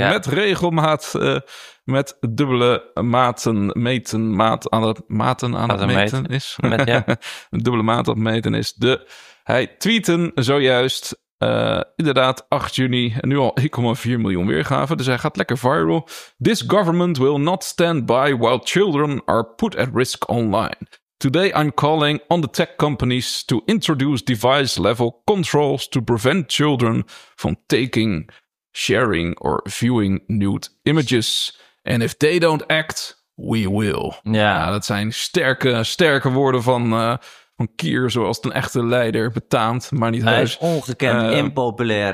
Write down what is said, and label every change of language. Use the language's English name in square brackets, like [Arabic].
[Dutch] hij met regelmaat, met dubbele maten, meten, maat aan het maten aan het meten meet. Is. Met, ja. Dubbele maat aan het meten is. Hij tweette zojuist, inderdaad, 8 juni, nu al 1,4 miljoen weergave. Dus hij gaat lekker viral. [English] This government will not stand by while children are put at risk online. Today I'm calling on the tech companies to introduce device-level controls to prevent children from taking, sharing or viewing nude images. And if they don't act, we will. [Dutch] Ja, ja, dat zijn sterke woorden van Keir, zoals een echte leider betaamt, maar niet hij huis. Hij is ongekend impopulair.